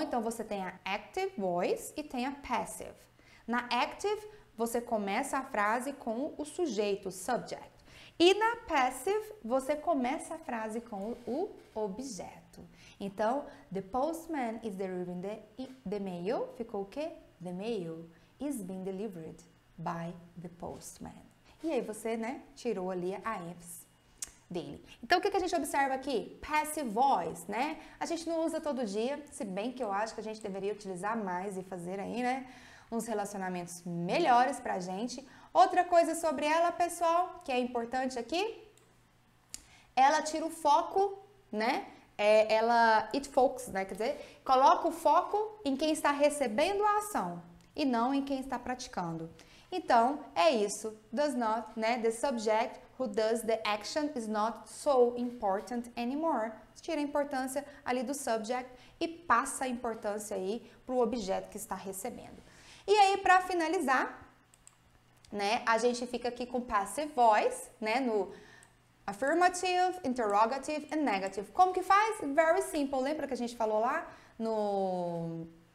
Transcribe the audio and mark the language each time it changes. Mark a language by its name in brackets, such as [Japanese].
[Portuguese] Então você tem a active voice e tem a passive. Na active, você começa a frase com o sujeito, o subject. E na passive, você começa a frase com o objeto. [English] Então, the postman is delivering the mail. [Portuguese] Ficou o quê? [English] The mail is being delivered by the postman. [Portuguese] E aí você, né, tirou ali a ênfase dele. Então, o que a gente observa aqui? Passive voice, né? A gente não usa todo dia, se bem que eu acho que a gente deveria utilizar mais e fazer aí, né? Uns relacionamentos melhores pra gente. Outra coisa sobre ela, pessoal, que é importante aqui, ela tira o foco, né? [English] It focuses, [Portuguese] né? Quer dizer, coloca o foco em quem está recebendo a ação e não em quem está praticando. Então, é isso. [English] Does not, [Portuguese] né? [English] The subject who does the action is not so important anymore. [Portuguese] Tira a importância ali do subject e passa a importância aí pro objeto que está recebendo. E aí, para finalizar, né? A gente fica aqui com passive voice, né? [English] No affirmative, interrogative and negative. [Portuguese] Como que faz? [English] Very simple. [Portuguese] Lembra que a gente falou lá no.